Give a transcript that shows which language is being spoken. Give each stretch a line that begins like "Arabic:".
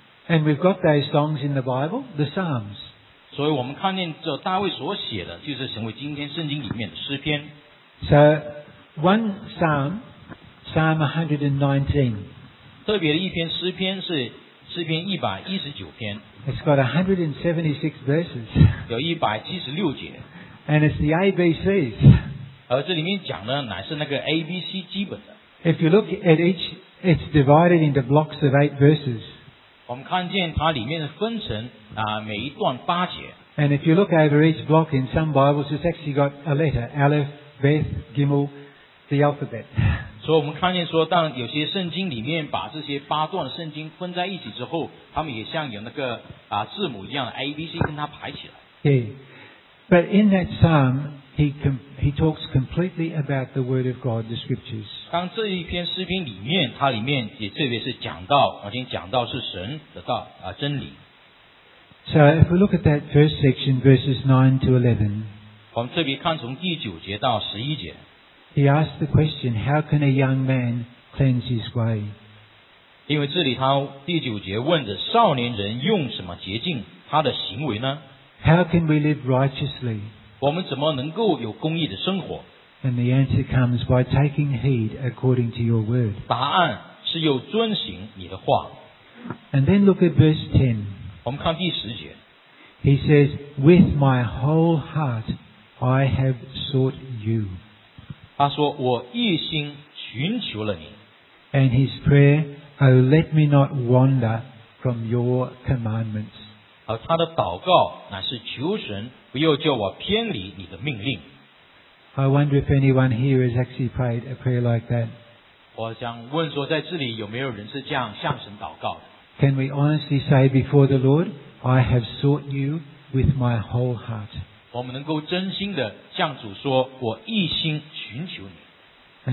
English: And we've got those songs in the Bible, the Psalms.
Chinese: 所以我们看见这大卫所写的，就是成为今天圣经里面的诗篇。
English: So, one psalm, Psalm 119.
Chinese: 特别的一篇诗篇是诗篇119篇。
English: It's got 176 verses.
Chinese: 有176节。
English: And it's the ABCs.
Chinese: 而这里面讲的乃是那个 ABC 基本的。
English: If you look at each, it's divided into blocks of 8 verses.
Chinese: 我们看见它里面分成每一段八节。
English: And if you look over each block in some Bibles, it's actually got a letter, Aleph, Beth, Gimel, the alphabet.
Chinese: 所以我们看见说，当有些圣经里面把这些八段的圣经分在一起之后，他们也像有那个字母一样的 ABC 跟它排起来。
English: Yeah. But in that psalm, he talks completely about the word of God, the scriptures.
Chinese: 当这一篇诗篇里面，它里面也特别是讲到，而且讲到是神的道啊真理。
English: So if we look at that first section, verses 9 to 11,
Chinese: 我们特别看从第九节到十一节。
English: He asked the question, how can a young man cleanse his way?
Chinese: 因为这里他第九节问的少年人用什么洁净他的行为呢？
English: How can we live righteously?
Chinese: 我们怎么能够有公义的生活？
English: And the answer comes by taking heed according to your word.
Chinese: 答案是要遵行你的话。
English: And then look at verse 10.
Chinese: 我们看第十节。
English: He says, with my whole heart I have sought you.
Chinese: 他说我一心寻求了你。
English: And his prayer, oh, let me not wander from your commandments.
Chinese: 而他的祷告乃是求神不要叫我偏离你的命令。
English: I wonder if anyone here has actually prayed a prayer like that.
Chinese: 我想问说在这里有没有人是这样向神祷告的。
English: Can we honestly say before the Lord, I have sought you with my whole heart?
Chinese: 我们能够真心的向主说我一心寻求你。